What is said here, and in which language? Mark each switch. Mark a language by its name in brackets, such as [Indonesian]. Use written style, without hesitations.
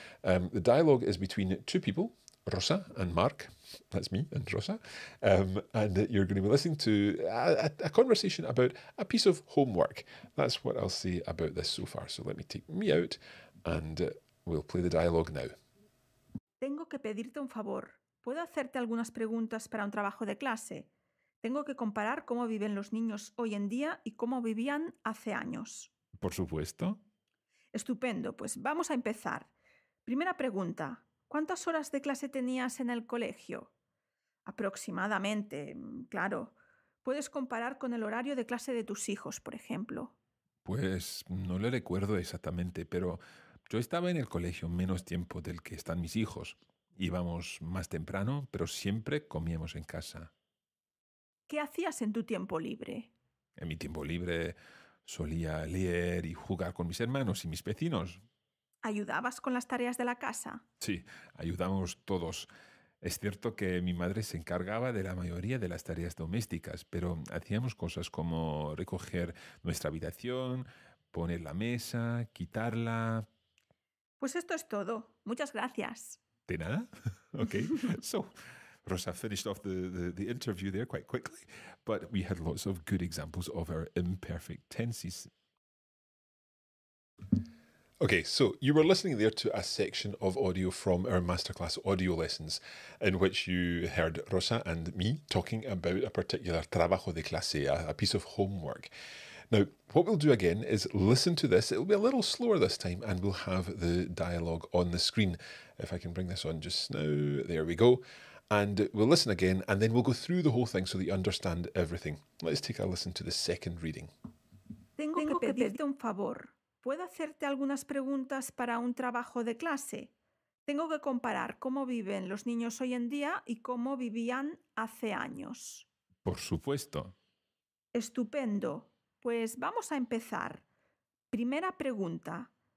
[English] The dialogue is between two people, Rosa and Mark. That's me and Rosa. And you're going to be listening to a conversation about a piece of homework. That's what I'll say about this so far. So let me take me out and we'll play the dialogue now. [Spanish] Tengo que pedirte un favor. ¿Puedo hacerte algunas preguntas para un trabajo de clase? Tengo que comparar cómo viven los niños hoy en día y cómo vivían hace años. Por supuesto. Estupendo, pues vamos a empezar. Primera pregunta. ¿Cuántas horas de clase tenías en el colegio? Aproximadamente, claro. Puedes comparar con el horario de clase de tus hijos, por ejemplo. Pues no le recuerdo exactamente, pero yo estaba en el colegio menos tiempo del que están mis hijos. Íbamos más temprano, pero siempre comíamos en casa. ¿Qué hacías en tu tiempo libre? En mi tiempo libre solía leer y jugar con mis hermanos y mis vecinos. ¿Ayudabas con las tareas de la casa? Sí, ayudamos todos. Es cierto que mi madre se encargaba de la mayoría de las tareas domésticas, pero hacíamos cosas como recoger nuestra habitación, poner la mesa, quitarla. Pues esto es todo. Muchas gracias. De nada. Okay. [English] So, Rosa finished off the interview there quite quickly, but we had lots of good examples of our imperfect tenses. Okay, so you were listening there to a section of audio from our masterclass audio lessons in which you heard Rosa and me talking about a particular [Spanish] trabajo de clase, [English] a piece of homework. Now, what we'll do again is listen to this. It'll be a little slower this time and we'll have the dialogue on the screen. If I can bring this on just now, there we go. And we'll listen again and then we'll go through the whole thing so that you understand everything. Let's take a listen to the second reading. [Spanish] Tengo que pedirte un favor. ¿Puedo hacerte algunas preguntas para un trabajo de clase? Tengo que comparar cómo viven los niños hoy en día y cómo vivían hace años. Por supuesto. Estupendo. Pues vamos a empezar. Primera pregunta.